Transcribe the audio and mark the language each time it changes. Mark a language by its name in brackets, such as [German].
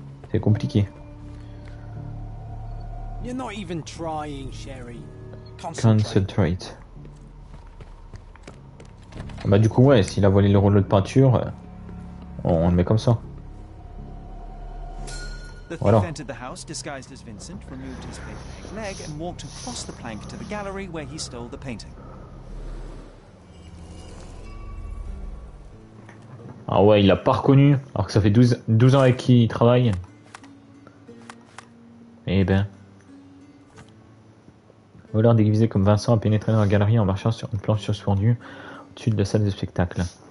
[French] C'est compliqué. [English] You're not even trying, Sherry. Concentrate. [French] Bah du coup, ouais, s'il a volé le rouleau de peinture, on le met comme ça. [English] The thief [French] voilà. [English] Entered the house disguised as Vincent, removed his painted leg, and walked across the plank to the gallery where he stole the painting. [French] Ah ouais, il l'a pas reconnu, alors que ça fait 12 ans avec qui il travaille. Eh ben. Le voleur déguisé comme Vincent a pénétré dans la galerie en marchant sur une planche suspendue au-dessus de la salle de spectacle.